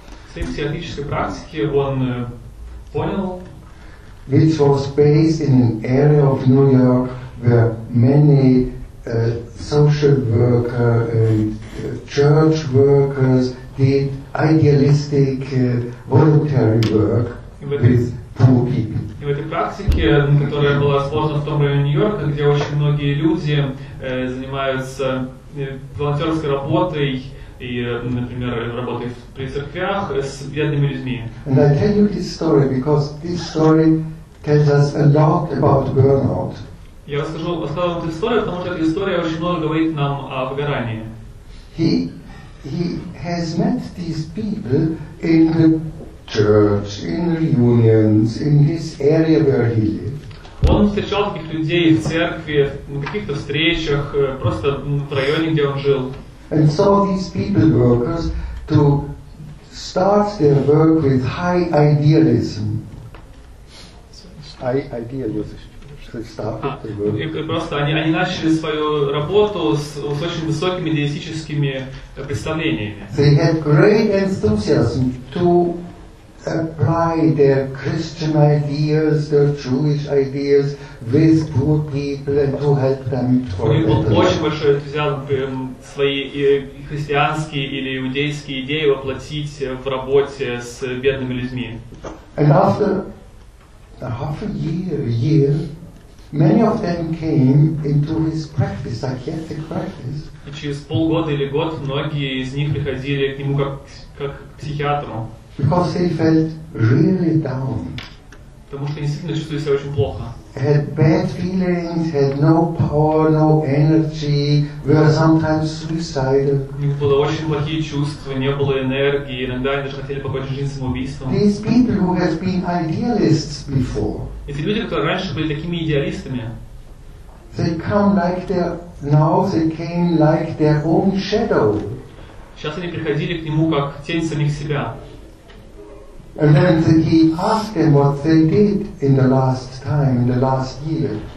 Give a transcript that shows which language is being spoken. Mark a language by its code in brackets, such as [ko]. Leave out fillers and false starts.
[ru] В своей психиатрической практике он понял. [en] Which was based in an area of New York where many social worker and church workers did idealistic voluntary work with poor people. [ru] И в этой практике, которая была сложена в том районе Нью-Йорка, где очень многие люди занимаются волонтерской работой и, например, работой при церквях с бедными людьми. [en] And I tell you this story because this story tells us a lot about burnout. [ru] Я расскажу вам эту историю, потому что эта история очень много говорит нам о выгорании. [en] He has met these people in the church, in reunions, in his area where he lived. [ru] Он встречал таких людей в церкви, на каких-то встречах, просто в районе, где он жил. [en] And so these people workers to start their work with high idealism. [ru] Они начали свою работу с очень высокими идеалистическими представлениями. [en] They had great enthusiasm to apply their Christian ideas, their Jewish ideas with poor people and to help them. [ru] У них был очень большой энтузиазм свои христианские или иудейские идеи воплотить в работе с бедными людьми. [en] And after half a year, many of them came into his practice, psychiatric practice. [ru] И через полгода или год многие из них приходили к нему как к психиатру. [en] Because they felt really down. [ru] Потому что они действительно чувствовали себя очень плохо. [en] Had bad feelings, had no power, no energy, were sometimes suicidal. [ru] У них было очень плохие чувства, не было энергии, иногда они даже хотели покончить жизнь самоубийством. [en] These people who have been idealists before. [ru] Эти люди, которые раньше были такими идеалистами. [en] They come like their, now they came like their own shadow. [ru] Сейчас они приходили к нему как тень самих себя. [en] And then he asked them what they did in the last time, in the last year.